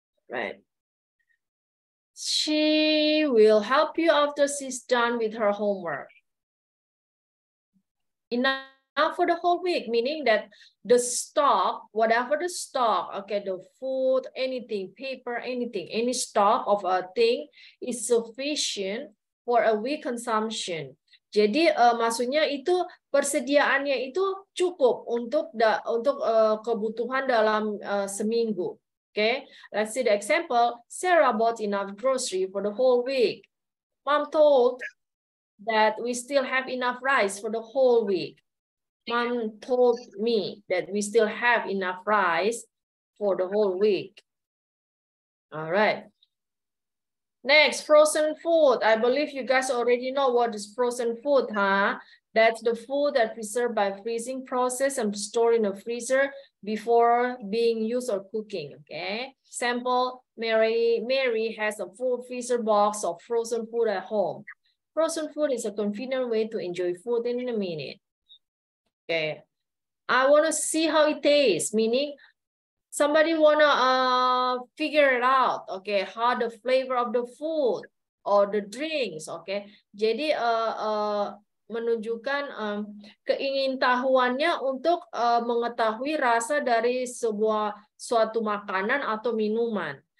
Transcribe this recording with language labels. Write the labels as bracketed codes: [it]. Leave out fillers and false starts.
[en] Right. She will help you after she's done with her homework. Enough for the whole week, meaning that the stock, whatever the stock, okay, the food, anything, paper, anything, any stock of a thing is sufficient for a week consumption. [id] Jadi maksudnya itu persediaannya itu cukup untuk kebutuhan dalam seminggu. [en] Okay, let's see the example. Sarah bought enough grocery for the whole week. Mom told that we still have enough rice for the whole week. Mom told me that we still have enough rice for the whole week. All right. Next, frozen food. I believe you guys already know what is frozen food, huh? That's the food that preserved by freezing process and stored in a freezer before being used or cooking, okay? Sample, Mary has a full freezer box of frozen food at home. Frozen food is a convenient way to enjoy food in a minute. Okay, I wanna see how it tastes, meaning somebody wanna figure it out, okay? How the flavor of the food or the drinks, okay? [id] Jadi, menunjukkan keingintahuannya untuk mengetahui rasa dari suatu makanan atau minuman.